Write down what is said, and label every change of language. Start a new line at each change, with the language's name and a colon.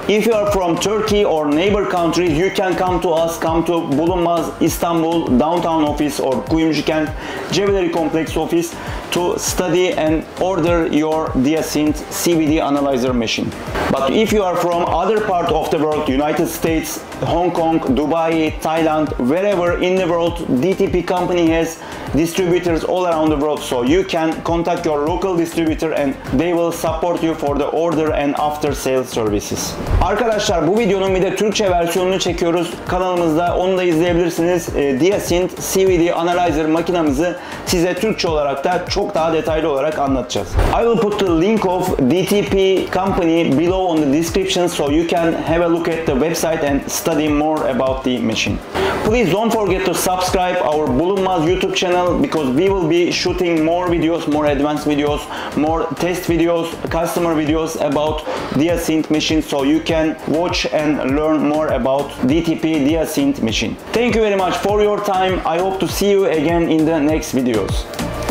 English: If you are from Turkey or neighbor countries, you can come to us, come to Bulunmaz Istanbul downtown office or Kuyumjukent jewelry complex office to study and order your DiaSynth CVD analyzer machine. But if you are from other part of the world, United States, Hong Kong, Dubai, Thailand, wherever in the world, DTP company has distributors all around the world. So you can contact your local distributor and they will support you for the order and after sales services.
Turkish: Arkadaşlar, bu videonun bir de Türkçe versiyonunu çekiyoruz. Kanalımızda onu da izleyebilirsiniz. DiaSynth CVD analyzer makinamızı size Türkçe olarak da çok daha detaylı olarak anlatacağız.
English: I will put the link of DTP company below on the description so you can have a look at the website and study more about the machine. Please don't forget to subscribe our Bulunmaz YouTube channel because we will be shooting more videos, more advanced videos, more test videos, customer videos about DiaSynth machine so you can watch and learn more about DTP DiaSynth machine. Thank you very much for your time. I hope to see you again in the next videos.